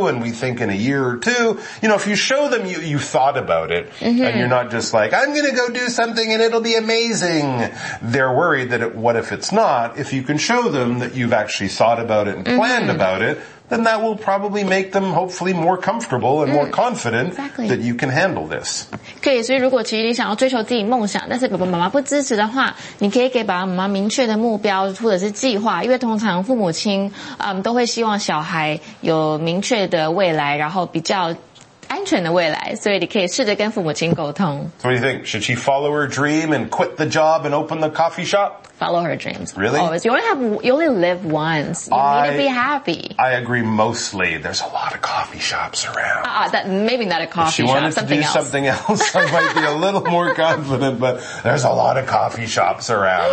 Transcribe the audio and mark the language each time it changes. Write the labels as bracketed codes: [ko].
[en] And we think in a year or two, you know, if you show them you thought about it and you're not just like, I'm going to go do something and it'll be amazing. They're worried that what if it's not? If you can show them that you've actually thought about it and planned about it, then that will probably make them hopefully more comfortable and more confident that you can handle this. [zh] 可以，所以如果其实你想要追求自己梦想，但是爸爸妈妈不支持的话，你可以给爸爸妈妈明确的目标或者是计划，因为通常父母亲都会希望小孩有明确的未来，然后比较安全的未来，所以你可以试着跟父母亲沟通。 [en] So what do you think? Should she follow her dream and quit the job and open the coffee shop? Follow her dreams. Really? Always. You only live once. You need to be happy. I agree mostly. There's a lot of coffee shops around. Maybe not a coffee shop, something else. I might be a little more confident, but there's a lot of coffee shops around.